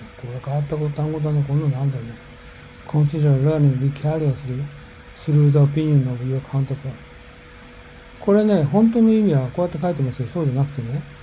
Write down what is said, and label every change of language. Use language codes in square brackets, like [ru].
[ja] これは変わった単語だな、こんなのなんだよね。 [en] consider learning vicariously through the opinion of your counterpart。 [ja] これね、本当の意味はこうやって書いてますよ。そうじゃなくてね。